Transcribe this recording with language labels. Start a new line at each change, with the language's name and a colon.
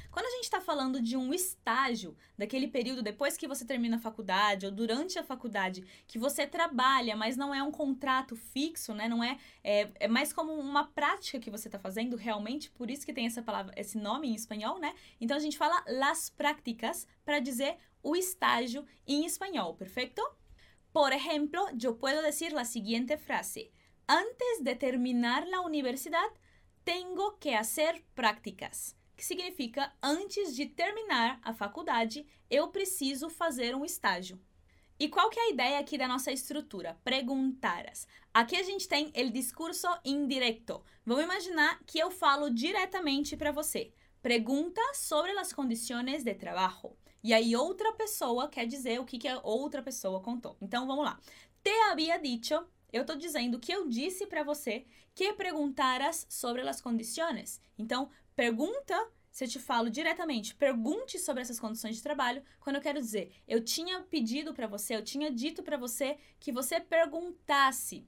Portuguese: Quando a gente está falando de um estágio, daquele período depois que você termina a faculdade ou durante a faculdade, que você trabalha, mas não é um contrato fixo, né? Não é, é mais como uma prática que você está fazendo realmente, por isso que tem essa palavra, esse nome em espanhol, né? Então a gente fala las prácticas para dizer o estágio em espanhol, perfeito?
Spanish: Por ejemplo, yo puedo decir la siguiente frase. Antes de terminar la universidad, tengo que hacer prácticas.
Portuguese: Que significa, antes de terminar a faculdade, eu preciso fazer um estágio. E qual que é a ideia aqui da nossa estrutura? Preguntarás. Aqui a gente tem el discurso indirecto. Vamos imaginar que eu falo diretamente para você.
Spanish: Pregunta sobre las condiciones de trabajo.
Portuguese: E aí outra pessoa quer dizer o que, que a outra pessoa contou. Então, vamos lá.
Spanish: Te había dicho,
Portuguese: eu estou dizendo que eu disse para você que perguntaras sobre as condições. Então, pergunta, se eu te falo diretamente, pergunte sobre essas condições de trabalho, quando eu quero dizer, eu tinha pedido para você, eu tinha dito para você que você perguntasse.